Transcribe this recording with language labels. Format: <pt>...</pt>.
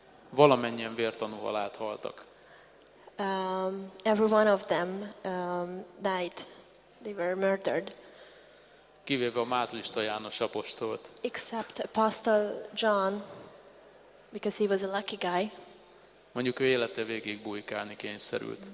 <hu>Valamennyien vértanú halált haltak.</hu> <en>Every one of them died. They were murdered.</en> <hu>Kivéve a mázlista János apostolt.</hu> <en>Except Apostle John, because he was a lucky guy.</en> <hu>Mondjuk ő élete végig bujkálni kényszerült.</hu>